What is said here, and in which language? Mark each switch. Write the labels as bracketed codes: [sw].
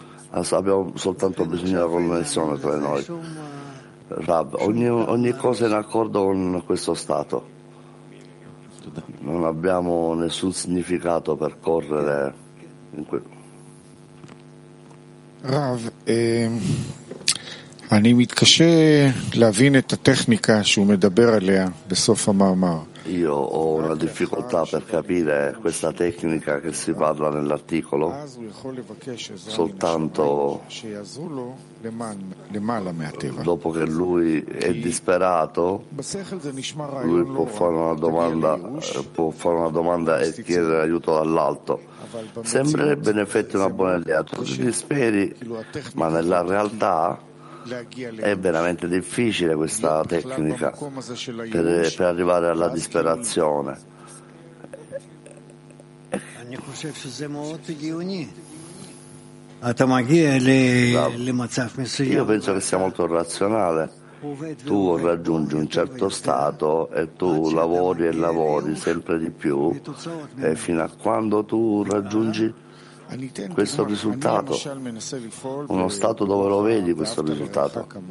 [it] Abbiamo soltanto bisogno della connessione tra noi. Rab, ogni cosa è in accordo con questo stato. Non abbiamo nessun significato per correre in quel. [he] Rav, אני מתקשה להבין את הטכניקה שהוא מדבר עליה בסוף המאמר. [it] Io ho una difficoltà per capire questa tecnica che si parla nell'articolo. Soltanto dopo che lui è disperato, lui può fare una domanda, e chiedere aiuto dall'alto. Sembrerebbe in effetti una buona idea, tu ti disperi, ma nella realtà è veramente difficile questa tecnica per arrivare alla disperazione. [he] אני חושב שזה מאוד הגיוני. אתה מגיע למצב מסוים. [it] Io penso che sia molto razionale. Tu raggiungi un certo stato e tu lavori e lavori sempre di più e fino a quando tu raggiungi questo risultato, uno stato dove lo vedi questo risultato.